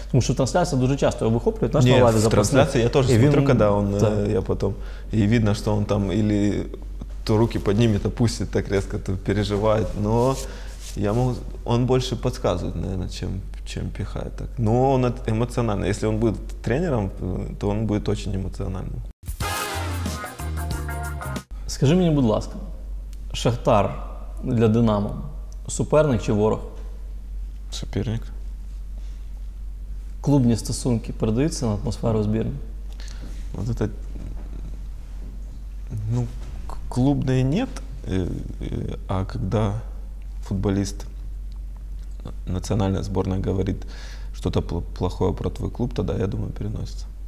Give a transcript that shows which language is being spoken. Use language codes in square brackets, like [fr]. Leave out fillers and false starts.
[uk] Тому що трансляція дуже часто його вихоплюють, знаєш, на лаві запасних. Ні, в трансляції я теж смотрю, коли він, да. Я потім, і видно, що він там, або то руки підніме, то пустить так різко, то переживає, но я можу, він більше підказує, мабуть, [ru] чем пихает так. Но он эмоциональный. Если он будет тренером, то он будет очень эмоциональным. Скажи мне, [uk] будь ласка, Шахтар для Динамо суперник чи ворог? Суперник. Клубні стосунки передаються на атмосферу збірні? [ru] Вот это... Ну, клубные нет, а когда футболист национальная сборная говорит что-то плохое про твой клуб, тогда, я думаю, переносится.